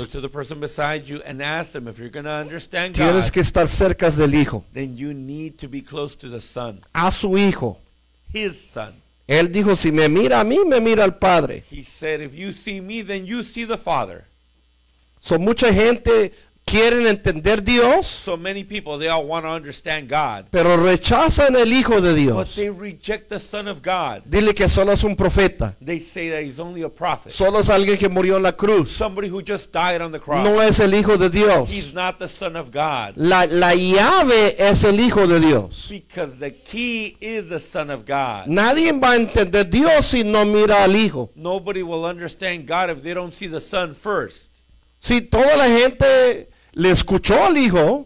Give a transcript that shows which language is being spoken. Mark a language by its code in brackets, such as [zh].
[en] look to the person beside you and ask them if you're going to understand [es] tienes [en] God. [es] Tienes que estar cerca del Hijo. [en] Then you need to be close to the Son. [es] A su Hijo. [en] His Son. [es] Él dijo, si me mira a mí, me mira al Padre. [en] He said, if you see me, then you see the Father. [es] So mucha gente quieren entender Dios. [en] So many people, they all want to understand God. [es] Pero rechazan el Hijo de Dios. [en] But they reject the Son of God. [es] Dile que solo es un profeta. [en] They say that he's only a prophet. [es] Solo es alguien que murió en la cruz. [en] Somebody who just died on the cross. [es] No es el Hijo de Dios. [en] He's not the Son of God. [es] La llave es el Hijo de Dios. [en] Because the key is the Son of God. [es] Nadie va a entender Dios si no mira al Hijo. [en] Nobody will understand God if they don't see the Son first. [es] Si toda la gente le escuchó al Hijo,